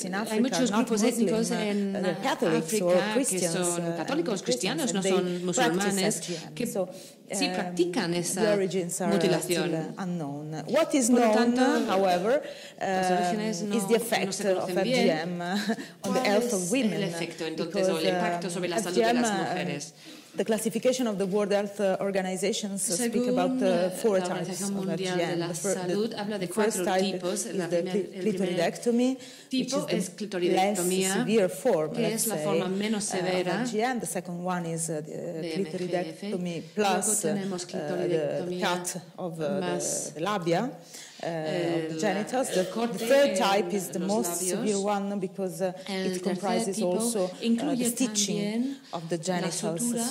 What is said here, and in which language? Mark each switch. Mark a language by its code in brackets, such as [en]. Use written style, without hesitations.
[es] Hay muchos grupos étnicos en África que son católicos, cristianos, no son musulmanes, que sí practican esa mutilación. [en] What is [es] por lo tanto, [en] however, is the effect of FGM on the health of women. [es] ¿Cuál es el efecto, entonces, o el impacto sobre la salud de las mujeres? [en] The classification of the World Health Organization speak about four types of FGM. [es] La Organización Mundial de la Salud habla de cuatro tipos. La clitoridectomy, tipo es clitoridectomía, que es la forma menos severa. [en] The second one is clitoridectomy plus the cut of the labia. The genitals. The third type is the most severe one because it comprises also the stitching of the genitals.